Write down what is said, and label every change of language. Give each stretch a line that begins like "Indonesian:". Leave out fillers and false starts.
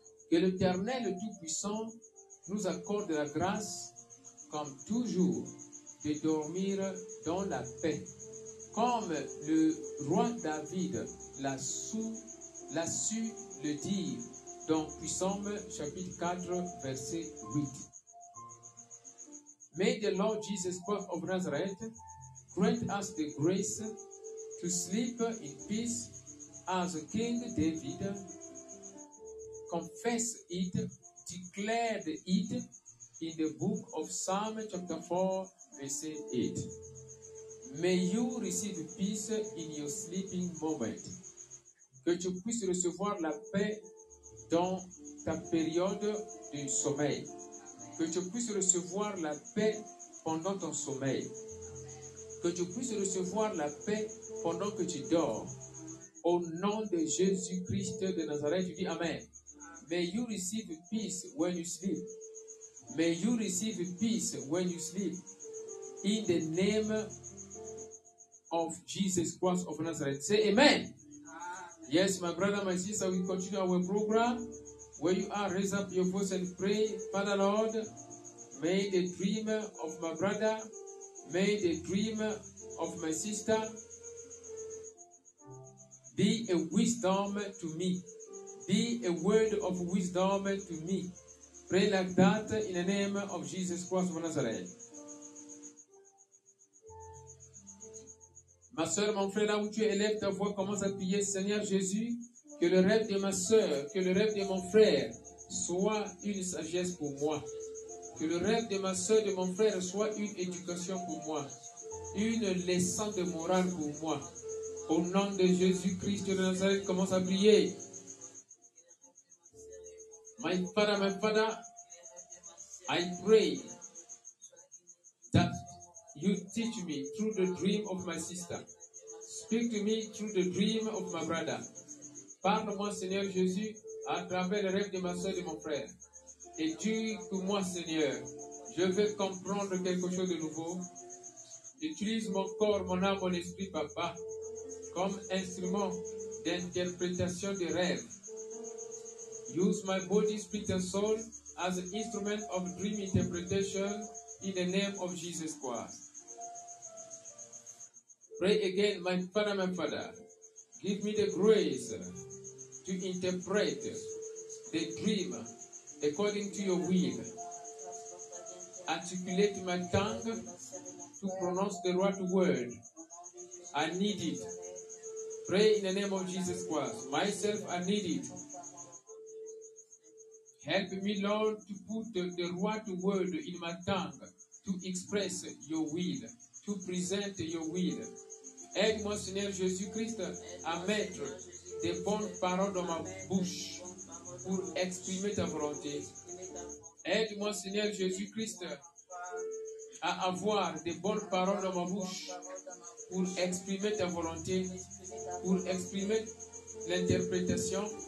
French: Que l'Éternel Tout-Puissant nous accorde la grâce, comme toujours, de dormir dans la paix. Comme le roi David l'a su le dire dans Psaume chapitre 4, verset 8.
English: May the Lord Jesus Christ of Nazareth grant us the grace to sleep in peace as King David confessed it, declared it in the book of Psalm chapter 4, verset 8. May you receive peace in your sleeping moment.
French: Que tu puisses recevoir la paix dans ta période de sommeil. Que tu puisses recevoir la paix pendant ton sommeil. Que tu puisses recevoir la paix pendant que tu dors. Au nom de Jésus-Christ de Nazareth, je dis Amen.
English: May you receive peace when you sleep. May you receive peace when you sleep. In the name of Jesus Christ of Nazareth. Say Amen. Yes, my brother, my sister, we continue our program. Where you are, raise up your voice and pray, Father Lord, may the dream of my brother, may the dream of my sister be a wisdom to me. Be a word of wisdom to me. Pray like that in the name of Jesus Christ of Nazareth.
French: Ma soeur, mon frère, là où tu élèves ta voix, commence à prier, Seigneur Jésus, que le rêve de ma soeur, que le rêve de mon frère soit une sagesse pour moi. Que le rêve de ma soeur, de mon frère soit une éducation pour moi. Une leçon de morale pour moi. Au nom de Jésus-Christ de Nazareth, commence à prier.
English: My father, I pray that you teach me through the dream of my sister. Speak to me through the dream of my brother.
French: Parle-moi, Seigneur Jésus, à travers le rêve de ma soeur et de mon frère. Et dis-moi, Seigneur, je vais comprendre quelque chose de nouveau. Utilise mon corps, mon âme, mon esprit, Papa, comme instrument d'interprétation des rêves.
English: Use my body, spirit and soul as an instrument of dream interpretation in the name of Jesus Christ. Pray again, my Father, give me the grace to interpret the dream according to your will. Articulate my tongue to pronounce the right word. I need it. Pray in the name of Jesus Christ. Myself, I need it. Help me, Lord, to put the right word in my tongue to express your will, to present your will.
French: Aide-moi, Seigneur Jésus-Christ, à mettre des bonnes paroles dans ma bouche pour exprimer ta volonté. Aide-moi, Seigneur Jésus-Christ, à avoir des bonnes paroles dans ma bouche pour exprimer ta volonté, pour exprimer l'interprétation.